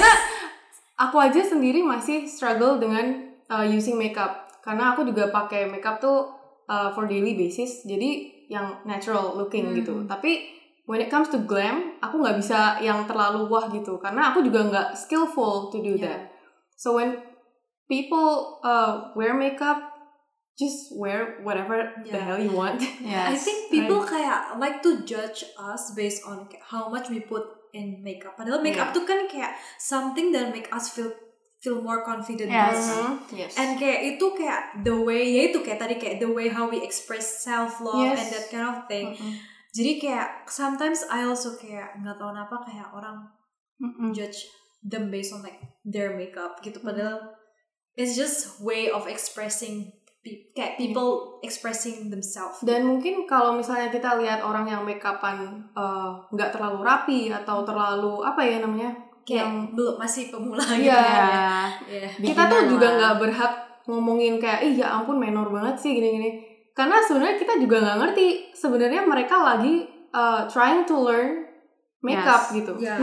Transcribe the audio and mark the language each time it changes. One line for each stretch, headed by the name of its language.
Indonesian: Karena aku aja sendiri masih struggle dengan
English: using makeup,
Indonesian: karena aku juga pakai makeup tuh
English: for daily basis,
Indonesian: jadi yang
English: natural looking
Indonesian: gitu. Tapi
English: when it comes to glam,
Indonesian: aku nggak bisa yang terlalu wah gitu, karena aku juga nggak
English: skillful to do that. So when people wear makeup, just wear whatever the hell you want. Yes. I think people
Indonesian: kayak
English: like to judge us based on how much we put in makeup.
Indonesian: Padahal makeup tuh kan kayak
English: something that make us feel more confident. Yes. Mm-hmm. Yes. And
Indonesian: kayak itu kayak
English: the way,
Indonesian: yaitu kayak tadi kayak
English: the way how we express self-love and that kind of thing. Mm-hmm.
Indonesian: Jadi kayak
English: sometimes I also
Indonesian: kayak gak tahu kenapa kayak orang
English: judge them based on like their makeup
Indonesian: gitu. Padahal
English: it's just way of expressing,
Indonesian: kayak
English: people expressing themselves.
Indonesian: Dan mungkin kalau misalnya kita lihat orang yang makeup-an nggak terlalu rapi atau terlalu apa ya namanya, kayak yang belum masih pemula gitu. Kita tuh juga nggak berhak ngomongin kayak ih ya ampun menor banget sih gini-gini. Karena sebenarnya kita juga nggak ngerti sebenarnya mereka lagi
English: trying to learn makeup
Indonesian: gitu.
English: Yes.